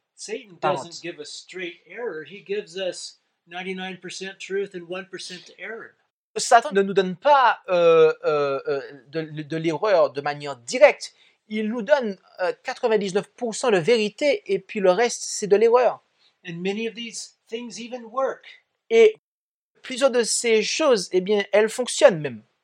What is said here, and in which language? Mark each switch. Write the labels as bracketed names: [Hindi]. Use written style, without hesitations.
[English] Satan doesn't give us straight error. He gives us 99% truth and 1% error. [French] Satan ne nous donne pas de l'erreur de manière directe. Il nous donne 99% de vérité et puis le reste c'est de l'erreur. [English] And many of these things even work. [French] Et plusieurs de ces choses, eh bien, elles fonctionnent même.